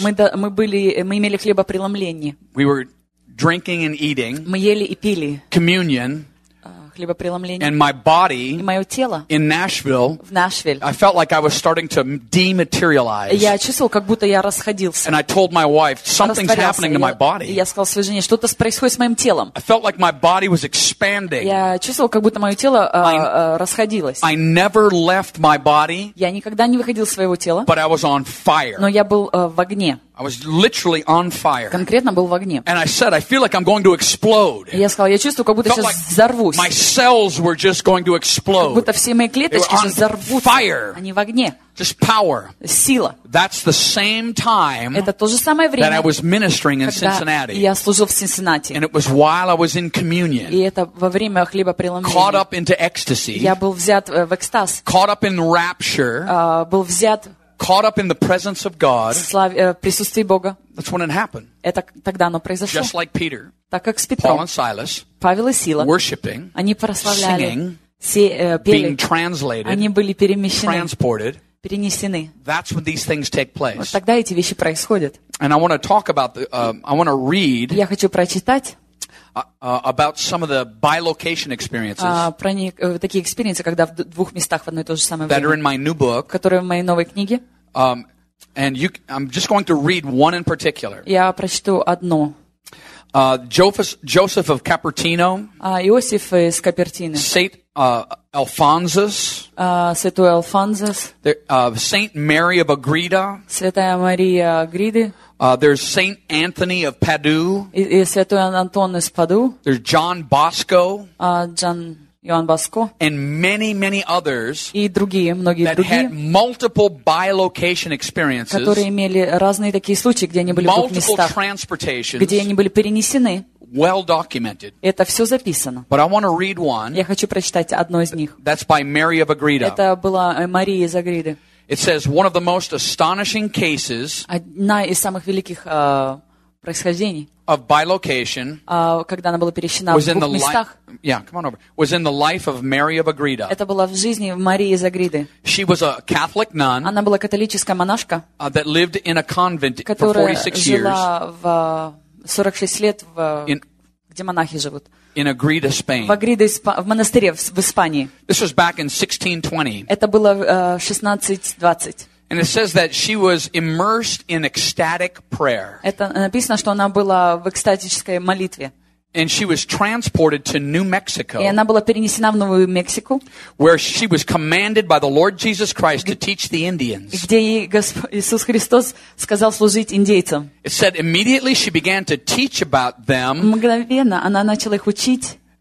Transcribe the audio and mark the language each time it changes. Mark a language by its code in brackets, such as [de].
[ru] Мы имели хлебопреломление. [en] We were drinking and eating. [ru] Мы ели и пили. [en] Communion. [ru] Хлебопреломление. [en] And my body. [ru] И мое тело. [en] In Nashville. [ru] В Нашвилле. [en] I felt like I was starting to dematerialize. [ru] Я чувствовал, как будто я расходился. [en] And I told my wife, something's happening to my body. [ru] Я сказал своей жене, что-то происходит с моим телом. [en] I felt like my body was expanding. [ru] Я чувствовал, как будто мое тело расходилось. [en] I never left my body. [ru] Я никогда не выходил из своего тела. [en] But I was on fire. [ru] Но я был в огне. [en] I was literally on fire. [ru] Конкретно был в огне. [en] And I said, I feel like I'm going to explode. [ru] Я сказал, я чувствую, как будто сейчас взорвусь. [en] My cells were just going to explode. [ru] Как будто все мои клеточки сейчас взорвутся. [en] Fire. [ru] Они в огне. [en] Just power. [ru] Сила. [en] That's the same time. [ru] Это то же самое время. [en] That I was ministering in Cincinnati. [ru] Я служил в Cincinnati. [en] And it was while I was in communion. [ru] И это во время хлебопреломления. [en] Caught up into ecstasy. [ru] Я был взят в экстаз. [en] Caught up in rapture. [ru] Был взят. [en] Caught up in the presence of God. [ru] Присутствие Бога. [en] That's when it happened. [ru] Это тогда оно произошло. [en] Just like Peter. [ru] Так как с Петром. [en] Paul and Silas. [ru] Павел и Сила. [en] Worshipping. [ru] Они прославляли. [en] Singing. [ru] Пели. [en] Being translated. [ru] Они были перемещены. [en] Transported. [ru] Перенесены. [en] That's when these things take place. [ru] Вот тогда эти вещи происходят. [en] And I want to talk about the. I want to read. [ru] Я хочу прочитать. [en] About some of the bi-location experiences. [ru] Про такие экспириенсы, когда в двух местах в одно и то же самое время. [en] That are in my new book. [ru] Которые в моей новой книге. [en] I'm just going to read one in particular. [ru] Я прочту одно. [en] Joseph of Capertino. [ru] Иосиф из Капертины. [en] Saint Alphonsus. [ru] Святой Алфонсус. [en] Saint Mary of Agreda. [ru] Святая Мария Агриды. [en] There's Saint Anthony of Padua. [ru] И святой Антон из Паду. [en] There's John Bosco. [ru] Иоанн Боско. [en] And many, many others. [ru] И другие, многие [en] that [ru] другие. [en] That had multiple bi-location experiences. [ru] Которые имели разные такие случаи, где они были в двух местах. [en] Multiple transportations. [ru] Где они были перенесены. [en] Well documented. [ru] Это все записано. [en] But I want to read one. [ru] Я хочу прочитать одно из них. [en] That's by Mary of Agreda. [ru] Это была Мария из Агриды. [en] It says one of the most astonishing cases. [ru] Одна из самых великих происхождений. [en] Of bi-location. [ru] Когда она была перенесена в двух местах. [en] Come on over. Was in the life of Mary of Agreda. [ru] Это была в жизни Марии из Агриды. [en] She was a Catholic nun. [ru] Она была католическая монашка. [en] That lived in a convent for 46 years. [ru] Которая жила 46 лет где монахи живут. [en] In Agreda, Spain. [ru] В Агриде, в монастыре в Испании. [en] This was back in 1620. [ru] Это было 1620. [en] And it says that she was immersed in ecstatic prayer. [ru] Это написано, что она была в экстатической молитве. [en] And she was transported to New Mexico. [ru] И она была перенесена в Новую Мексику. [en] Where she was commanded by the Lord Jesus Christ to teach the Indians. [ru] Где ей Иисус Христос сказал служить индейцам. [en] It said immediately she began to teach about them. [ru] Мгновенно она начала их учить.